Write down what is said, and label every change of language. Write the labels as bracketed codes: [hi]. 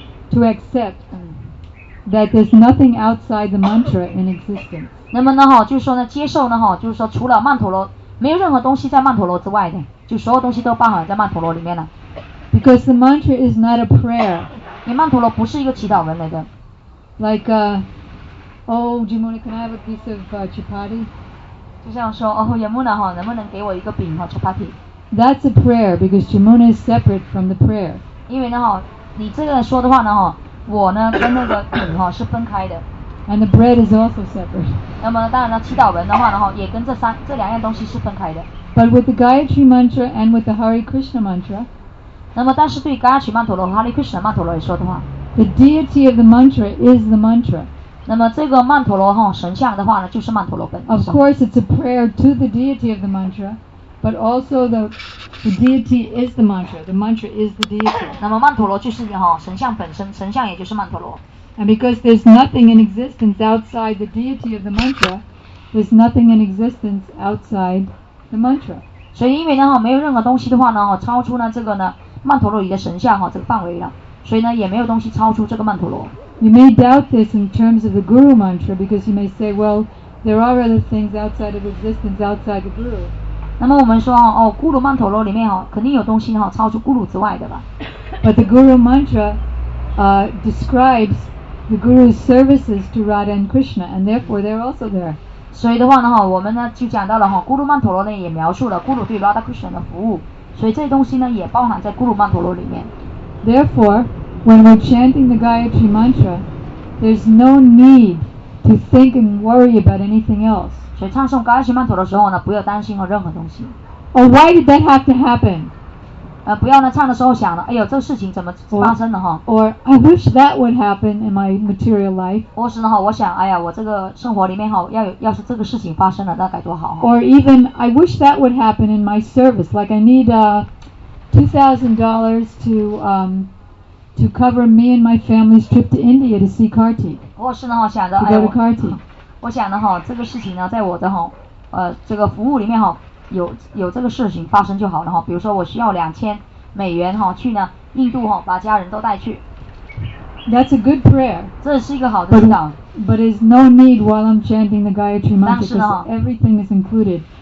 [en] To accept that there's nothing outside the mantra in existence. [zh] 那么呢哈，就是说呢，接受呢哈，就是说除了曼陀罗，没有任何东西在曼陀罗之外的，就所有东西都包含在曼陀罗里面了。 [en] Because the mantra is not a prayer. [zh] 因为曼陀罗不是一个祈祷文来的。 [en] Like, oh, Jamuna, can I have a piece of chapati? [zh] 就像说，哦，雅穆娜哈，能不能给我一个饼哈 ，chapati? [en] That's a prayer because Jamuna is separate from the prayer. [zh] 因为呢哈，你这个说的话呢哈，我呢跟那个饼哈是分开的。 [en] And the bread is also separate. [zh] 那么当然呢，祈祷文的话呢哈，也跟这两样东西是分开的。 [en] But with the Gayatri Mantra and with the Hare Krishna Mantra. [zh] 那么但是对噶曲曼陀罗和哈利克什曼陀罗来说的话 [en] ，The deity of the mantra is the mantra. [zh] 那么这个曼陀罗哈神像的话呢，就是曼陀罗本身。 [en] Of course, it's a prayer to the deity of the mantra. But also the deity is the mantra. The mantra is the deity. [zh] 那么曼陀罗就是哈神像本身，神像也就是曼陀罗。 [en] And because there's nothing in existence outside the deity of the mantra, there's nothing in existence outside the mantra. [zh] 所以因为呢哈没有任何东西的话呢哈超出呢这个呢曼陀罗里的神像哈这个范围了，所以呢也没有东西超出这个曼陀罗。 [en] You may doubt this in terms of the guru mantra because you may say, well, there are other things outside of existence outside the guru. [zh] 那么我们说哦，咕噜曼陀罗里面哦，肯定有东西哈、哦，超出咕噜之外的吧。 [en] But the Guru Mantra, describes the Guru's services to Radha and Krishna, and therefore they're also there. [zh] 所以的话呢哈，我们呢就讲到了哈，咕噜曼陀罗呢也描述了咕噜对 Radha Krishna 的服务，所以这些东西呢也包含在咕噜曼陀罗里面。 [en] Therefore, when we're chanting the Gayatri Mantra, there's no need to think and worry about anything else. [zh] 所以唱诵噶什曼陀罗的时候呢，不要担心和任何东西。 [en] Oh, why did that have to happen? [zh] 不要呢，唱的时候想了，哎呦，这事情怎么发生了哈 [en] ？Or I wish that would happen in my material life. [zh] 或是呢哈，我想，哎呀，我这个生活里面哈，要是这个事情发生了，那该多好。 [en] Or even I wish that would happen in my service. Like I need $2,000 to cover me and my family's trip to India to see Kartik. [zh] 我是呢，我想的， [en] 哎，to go to Kartik. [zh] 我想的哈，这个事情呢，在我的哈，这个服务里面哈，有这个事情发生就好了哈。比如说，我需要2000美元哈，去呢印度哈，把家人都带去。 [en] That's a good prayer. [zh] 这是一个好的祈祷。 [en] But there's no need while I'm chanting the Gayatri mantra because everything is included.